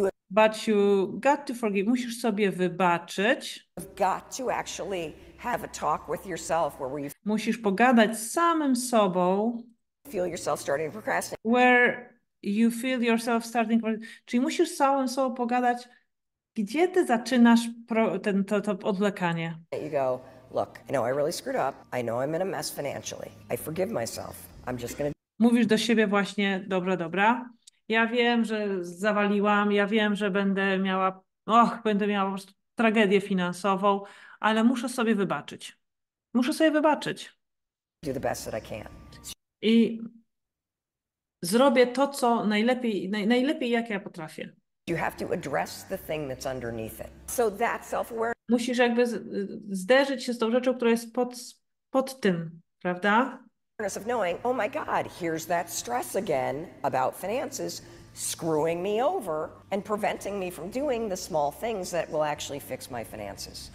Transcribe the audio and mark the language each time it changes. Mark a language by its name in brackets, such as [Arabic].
[English] But you got to forgive, [Polish] musisz sobie wybaczyć. [English] You've got to actually have a talk with yourself where you [Polish] musisz pogadać z samym sobą. [English] Feel yourself starting to procrastinate. Where you feel yourself starting to procrastinate. [Polish] Czyli musisz z samym sobą pogadać, gdzie ty zaczynasz to odwlekanie. [English] You go, look, I know I really screwed up. I know I'm in a mess financially. I forgive myself. I'm just gonna... [Polish] Mówisz do siebie właśnie, dobra, dobra. Ja wiem, że zawaliłam, ja wiem, że będę miała po prostu tragedię finansową, ale muszę sobie wybaczyć. Muszę sobie wybaczyć. [English] Do the best that I can. [Polish] I zrobię to, co najlepiej, najlepiej jak ja potrafię. [English] You have to address the thing that's underneath it. So that's self-awareness. [Polish] Musisz jakby zderzyć się z tą rzeczą, która jest pod tym, prawda? [English] Of knowing, oh my God, here's that stress again about finances screwing me over and preventing me from doing the small things that will actually fix my finances.